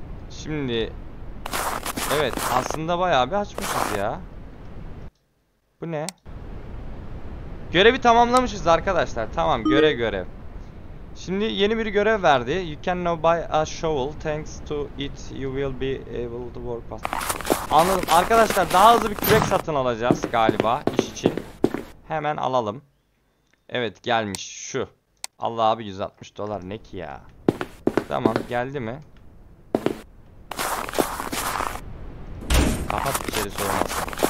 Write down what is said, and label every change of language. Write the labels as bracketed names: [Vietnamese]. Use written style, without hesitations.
[Turkish] Şimdi evet aslında bayağı bir açmışız ya. Bu ne? Görevi tamamlamışız arkadaşlar. Tamam görev. Şimdi yeni bir görev verdi. [English] You can now buy a shovel. Thanks to it you will be able to work fast. [Turkish] Anladım. Arkadaşlar daha hızlı bir kürek satın alacağız galiba iş için. Hemen alalım. Evet gelmiş şu. Allah abi 160 dolar ne ki ya? Tamam geldi mi? Kapat içerisi olmaz.